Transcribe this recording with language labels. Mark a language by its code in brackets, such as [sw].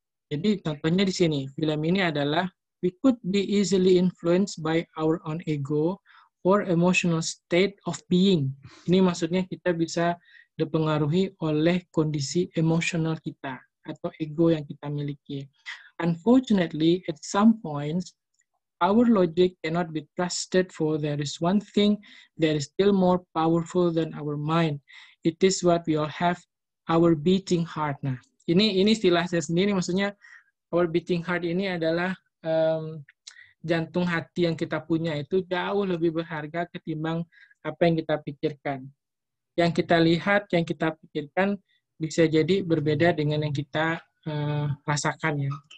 [id] Jadi contohnya di sini, film ini adalah, [en] we could be easily influenced by our own ego or emotional state of being. [id] Ini maksudnya kita bisa dipengaruhi oleh kondisi emosional kita atau ego yang kita miliki. [en] Unfortunately, at some points, our logic cannot be trusted, for there is one thing that is still more powerful than our mind. It is what we all have, our beating heart. [id] Nah, ini istilah saya sendiri, maksudnya [en] our beating heart [id] ini adalah jantung hati yang kita punya, itu jauh lebih berharga ketimbang apa yang kita pikirkan. Yang kita lihat, yang kita pikirkan bisa jadi berbeda dengan yang kita rasakan, ya.